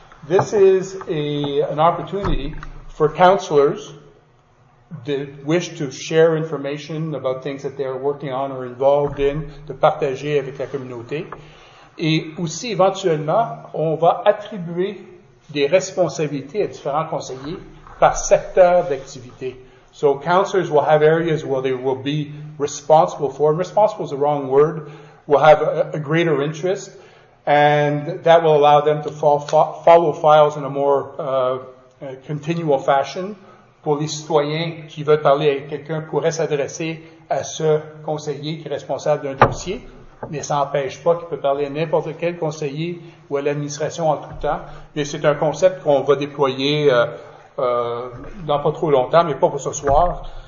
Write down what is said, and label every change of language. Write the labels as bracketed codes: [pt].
[en] This is an opportunity for counselors that wish to share information about things that they are working on or involved in, [fr] de partager avec la communauté. Et aussi, éventuellement, on va attribuer des responsabilités à différents conseillers par secteur d'activité. [en] So counselors will have areas where they will be responsible for. Responsible is the wrong word. Will have a greater interest, and that will allow them to follow files in a more continual fashion. [fr] Pour les citoyens qui veulent parler avec quelqu'un, pourraient s'adresser à ce conseiller qui est responsable d'un dossier, mais ça n'empêche pas qu'il peut parler à n'importe quel conseiller ou à l'administration en tout temps. Mais c'est un concept qu'on va déployer dans pas trop longtemps, mais pas pour ce soir.